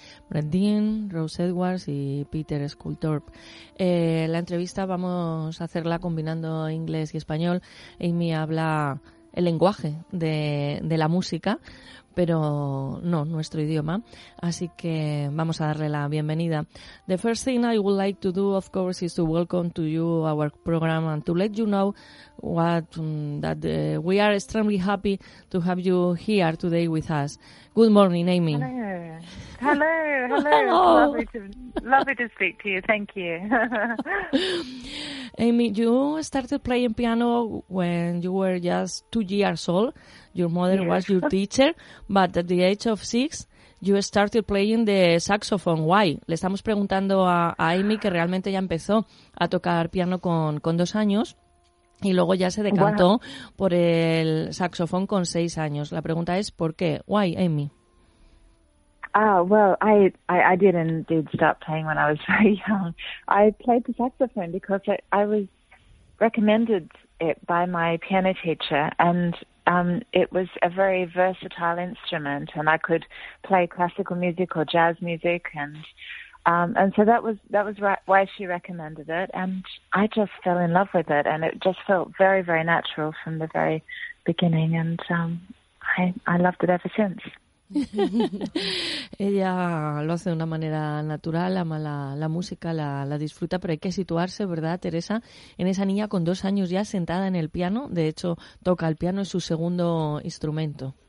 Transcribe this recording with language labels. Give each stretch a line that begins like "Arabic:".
Spanish: Brendan, Rose Edwards y Peter Sculthorpe. La entrevista vamos a hacerla combinando inglés y español. Amy habla el lenguaje de la música, pero no nuestro idioma. Así que vamos a darle la bienvenida.
English: The first thing I would like to do, of course, is to welcome to you our program and to let you know that we are extremely happy to have you here today with us. Good morning, Amy. Hello. Lovely to speak to you. Thank you. Amy, you started playing piano when you were just 2 years old. Your mother was your teacher, but at the age of 6, you started playing the saxophone. Why?
Spanish: Le estamos preguntando a Amy, que realmente ya empezó a tocar piano con 2 años y luego ya se decantó por el saxofón con 6 años. La pregunta es, ¿por qué?
English: Why, Amy? I did indeed start playing when I was very young. I played the saxophone because I was recommended it by my piano teacher, and it was a very versatile instrument, and I could play classical music or jazz music, and so that was why she recommended it, and I just fell in love with it, and it just felt very, very natural from the very beginning, and I loved it ever since.
Spanish: Ella lo hace de una manera natural, ama la música, la disfruta, pero hay que situarse, ¿verdad, Teresa? En esa niña con 2 años ya sentada en el piano, de hecho toca el piano, es su segundo instrumento.